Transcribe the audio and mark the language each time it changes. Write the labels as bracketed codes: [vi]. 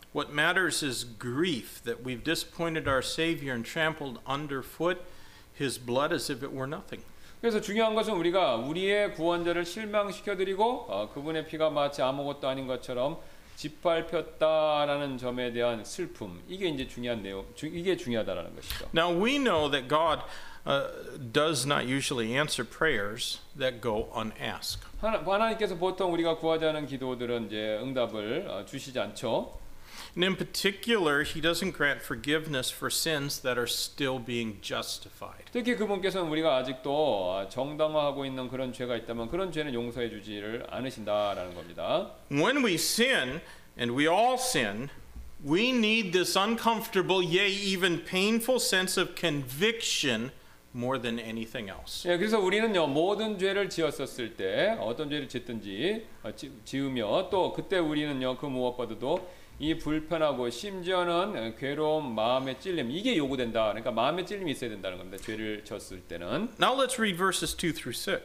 [en] What matters is grief that we've disappointed our Savior and trampled underfoot His blood as if it were nothing. [ko] 그래서 중요한 것은 우리가 우리의 구원자를 실망시켜드리고 그분의 피가 마치 아무것도 아닌 것처럼 짓밟혔다라는 점에 대한 슬픔 이게 이제 중요한 내용 이게 중요하다라는 것이죠. [en] Now we know that God does not usually answer prayers that go unasked. [ko] 하나님께서 보통 우리가 구하지 않은 기도들은 이제 응답을 주시지 않죠. [en] And in particular, He doesn't grant forgiveness for sins that are still being justified. [ko] 특히 그분께서는 우리가 아직도 정당화하고 있는 그런 죄가 있다면 그런 죄는 용서해 주지를 않으신다라는 겁니다. [en] When we sin, and we all sin, we need this uncomfortable, yea, even painful sense of conviction more than anything else. [ko] 예, 그래서 우리는요 모든 죄를 지었었을 때 어떤 죄를 짓든지 지으며 또 그때 우리는요 그 무엇보다도 이 불편하고 심지어는 괴로운 마음의 찔림 이게 요구된다. 그러니까 마음의 찔림이 있어야 된다는 겁니다. 죄를 졌을 때는. [en] Now let's read verses 2 through 6.